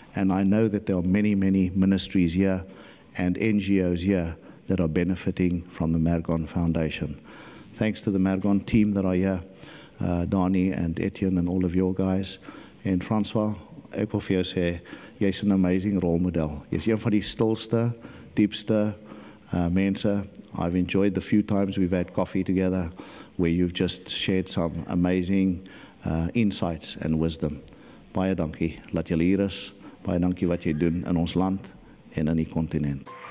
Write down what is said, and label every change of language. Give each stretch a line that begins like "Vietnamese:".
English: And I know that there are many, many ministries here and NGOs here that are benefiting from the Margon Foundation. Thanks to the Margon team that are here, Dani and Etienne and all of your guys, and Francois,
Afrikaans: ek wil vir jou sê, jy's
English: an amazing role model.
Afrikaans: Jy's een van die stilste, diepste mense.
English: I've enjoyed the few times we've had coffee together where you've just shared some amazing insights and wisdom.
Afrikaans: Baie dankie dat jy hier is. Baie dankie wat jy doen in ons land en in die kontinent.